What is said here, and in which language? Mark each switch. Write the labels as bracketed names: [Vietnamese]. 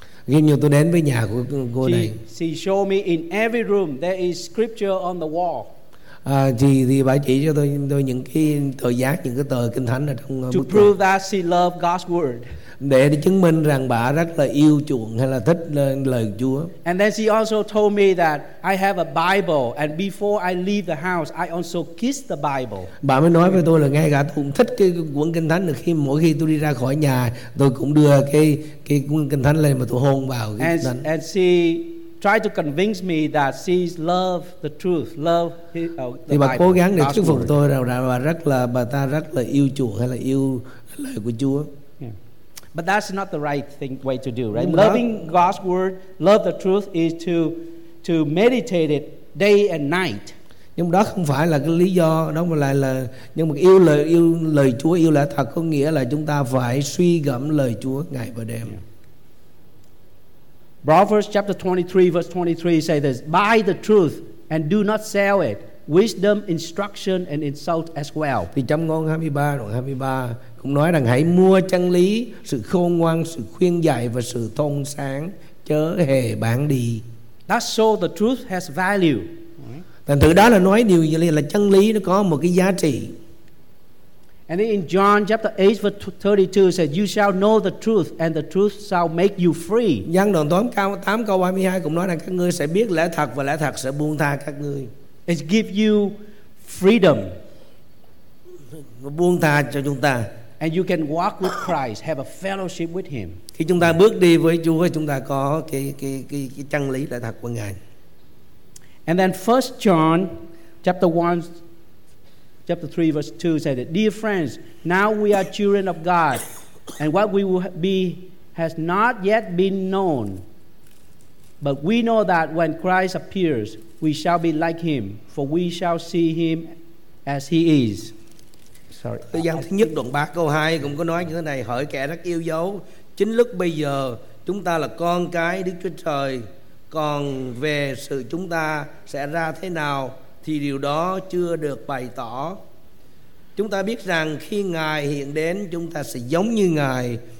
[Vietnamese] khi như tôi đến với nhà của cô này, [English] she showed me in every room there is scripture on the wall. [Vietnamese] Thì bà chỉ cho tôi những cái tờ giác, những cái tờ Kinh Thánh ở trong. [English] To prove that she loved God's word. [Vietnamese] Để chứng minh rằng bà rất là yêu chuộng hay là thích lời Chúa. [English] And then she also told me that I have a Bible and before I leave the house I also kiss the Bible. [Vietnamese] Bà mới nói với tôi là ngay cả tôi cũng thích cái cuốn Kinh Thánh, khi mỗi khi tôi đi ra khỏi nhà tôi cũng đưa cái cuốn Kinh Thánh lên mà tôi hôn vào cái Kinh Thánh. [English] And she tried to convince me that she loves the truth, love the Bible. [Vietnamese] Thì bà cố gắng để thuyết phục tôi rằng bà ta rất là yêu chuộng hay là yêu lời của Chúa. [English] But that's not the right thing way to do, right? Loving God's word, love the truth is to meditate it day and night. [Vietnamese] Nhưng đó không phải là cái lý do, đó mà lại là nhưng mà yêu lời Chúa, yêu lẽ thật có nghĩa là chúng ta phải suy gẫm lời Chúa ngày và đêm. [English] Proverbs chapter 23 verse 23 say this, buy the truth and do not sell it. Wisdom, instruction and insult as well. [Vietnamese] Thì trong Ngôn 23 đoạn 23 cũng nói rằng hãy mua chân lý, sự khôn ngoan, sự khuyên dạy và sự thông sáng, chớ hề bán đi. [English] That show the truth has value. [Vietnamese] Thành thử đó là nói điều gì là chân lý nó có một cái giá trị. [English] And in John chapter 8 verse 32 says, you shall know the truth and the truth shall make you free. [Vietnamese] Giăng đoạn 8 câu 32 cũng nói rằng các ngươi sẽ biết lẽ thật và lẽ thật sẽ buông tha các ngươi. [English] It gives you freedom. [Vietnamese] Nó buông tha cho chúng ta. [English] And you can walk with Christ, have a fellowship with him. [Vietnamese] Khi chúng ta bước đi với Chúa, chúng ta có cái chân lý lẽ thật của Ngài. [English] And then 1 John chapter 3 verse 2 said, dear friends, now we are children of God, and what we will be has not yet been known. But we know that when Christ appears, we shall be like him, for we shall see him as he is. Sorry. [Vietnamese] Thời gian thứ nhất đoạn 3 câu 2 cũng có nói như thế này, hỡi kẻ rất yêu dấu, chính lúc bây giờ chúng ta là con cái Đức Chúa Trời, còn về sự chúng ta sẽ ra thế nào thì điều đó chưa được bày tỏ. Chúng ta biết rằng khi Ngài hiện đến, chúng ta sẽ giống như Ngài,